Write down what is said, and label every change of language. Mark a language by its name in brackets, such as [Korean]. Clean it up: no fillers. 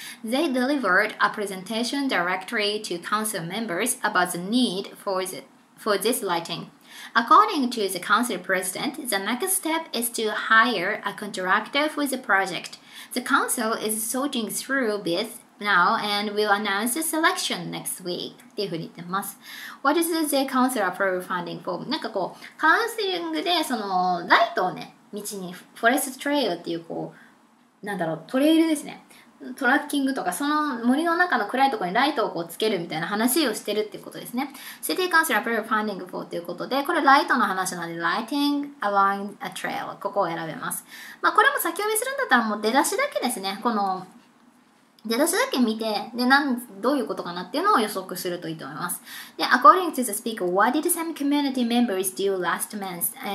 [English] They delivered a presentation directly to council members about the need for this lighting. According to the council president, the next step is to hire a contractor for the project. The council is sorting through bids. Now and we'll announce the selection next week. [Japanese] っていうふうに言ってます。 [English] What is the council approved funding for? [Japanese] なんかこう、カウンセリングでそのライトをね、道に、フォレストトレイルっていうこう、なんだろう、トレイルですね。トラッキングとか、その森の中の暗いところにライトをこうつけるみたいな話をしてるっていうことですね。 [English] City Council Approved Funding for [Japanese] ということで、これライトの話なので、Lighting Along a Trail。ここを選べます。まあこれも先読みするんだったらもう出だしだけですね。この出だしだけ見て、で、どういうことかなっていうのを予測するといいと思います。で、 [English] according to the speaker, what did some community members do last month?